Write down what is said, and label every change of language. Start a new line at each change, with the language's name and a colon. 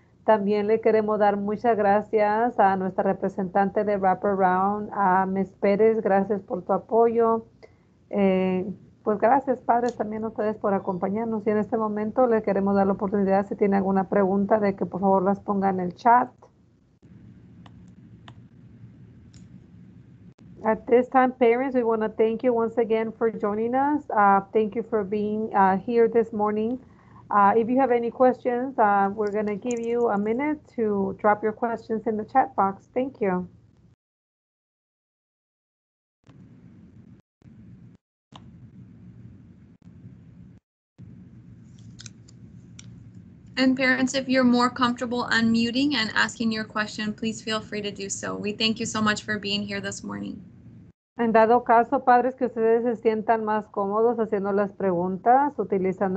Spanish: También le queremos dar muchas gracias a nuestra representante de Wraparound, a Ms. Pérez. Gracias por tu apoyo. Pues gracias, padres, también a ustedes por acompañarnos. Y en este momento le queremos dar la oportunidad, si tiene alguna pregunta, de que por favor las ponga en el chat.
English: At this time, parents, we want to thank you once again for joining us. Thank you for being here this morning. If you have any questions, we're going to give you a minute to drop your questions in the chat box. Thank you. And parents, if you're more comfortable unmuting and asking your question, please feel free to do so. We thank you so much for being here this morning.
Spanish: En dado caso, padres, que ustedes se sientan más cómodos haciendo las preguntas, utilizando...